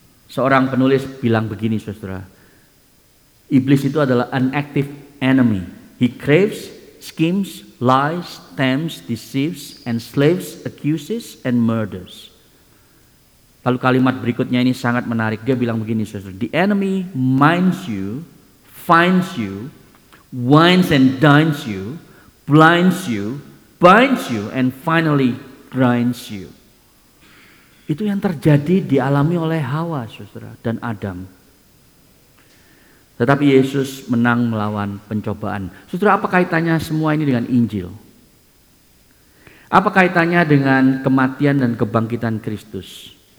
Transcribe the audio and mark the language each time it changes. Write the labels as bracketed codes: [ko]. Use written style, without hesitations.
[id] Seorang penulis bilang begini, saudara, iblis itu adalah [en] an active enemy. He craves, schemes, lies, tempts, deceives, enslaves, accuses, and murders. [id] Lalu kalimat berikutnya ini sangat menarik. Dia bilang begini, saudara, [en] the enemy minds you, finds you, wines and dines you, blinds you, binds you, and finally grinds you. [id] Itu yang terjadi dialami oleh Hawa, saudara, dan Adam. Tetapi Yesus menang melawan pencobaan. Saudara, apa kaitannya semua ini dengan Injil? Apa kaitannya dengan kematian dan kebangkitan Kristus?